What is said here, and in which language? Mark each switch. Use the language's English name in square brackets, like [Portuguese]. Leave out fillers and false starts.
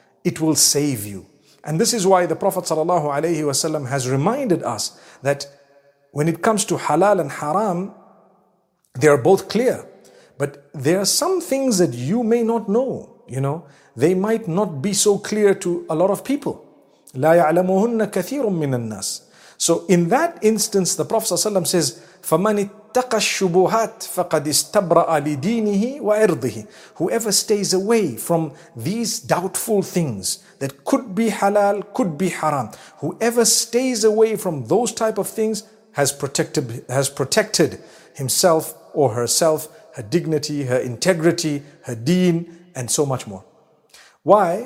[English] It will save you. And this is why the Prophet ﷺ has reminded us that when it comes to halal and haram, they are both clear, but there are some things that you may not know, you know. They might not be so clear to a lot of people. [Arabic] لَا يَعْلَمُهُنَّ كَثِيرٌ مِّنَ النَّاسِ. [English] So in that instance, the Prophet ﷺ says, [Arabic] فَمَنِ اتَّقَ الشُّبُهَاتِ فَقَدْ اسْتَبْرَأَ لِدِينِهِ وَعِرْضِهِ. [English] Whoever stays away from these doubtful things that could be halal, could be haram, whoever stays away from those type of things has protected himself or herself, her dignity, her integrity, her deen, and so much more. Why?